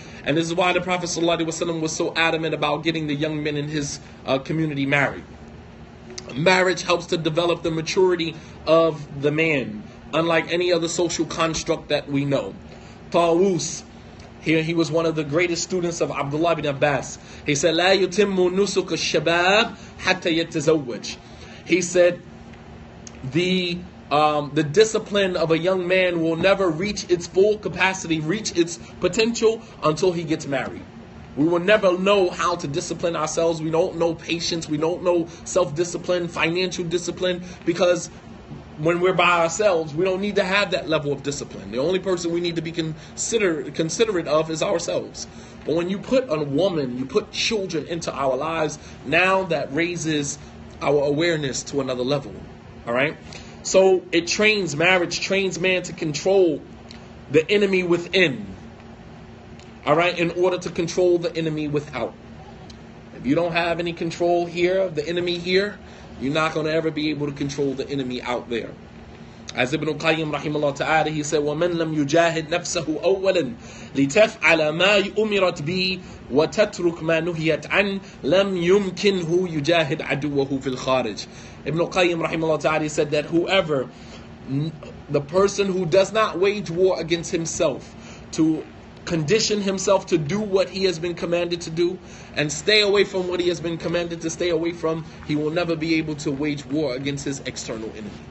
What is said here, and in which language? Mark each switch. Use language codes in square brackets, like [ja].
[en] And this is why the Prophet sallallahu alaihi wasallam was so adamant about getting the young men in his community married. Marriage helps to develop the maturity of the man, unlike any other social construct that we know. Tawus, here he was one of the greatest students of Abdullah ibn Abbas. He said, [ar] لا يتم نسك الشباب حتى يتزوج. [en] He said, the discipline of a young man will never reach its full capacity, reach its potential, until he gets married. We will never know how to discipline ourselves. We don't know patience. We don't know self-discipline, financial discipline, because when we're by ourselves, we don't need to have that level of discipline. The only person we need to be considerate of is ourselves. But when you put a woman, you put children into our lives, now that raises our awareness to another level. All right. So it trains, marriage trains man to control the enemy within. All right. In order to control the enemy without. If you don't have any control here, the enemy here, you're not going to ever be able to control the enemy out there. As Ibn Qayyim rahimahullah ta'ala, he said, [ar] وَمَنْ لَمْ يُجَاهِدْ نَفْسَهُ أَوَّلًا لِتَفْعَلَ مَا أُمِرَتْ بِي وَتَتْرُكْ مَا نُهِيَتْ عَنْ لَمْ يُمْكِنْهُ يُجَاهِدْ عَدُوَهُ فِي الْخَارِجِ. [en] Ibn Qayyim rahimahullah ta'ala said that whoever, the person who does not wage war against himself, to condition himself to do what he has been commanded to do and stay away from what he has been commanded to stay away from, he will never be able to wage war against his external enemy.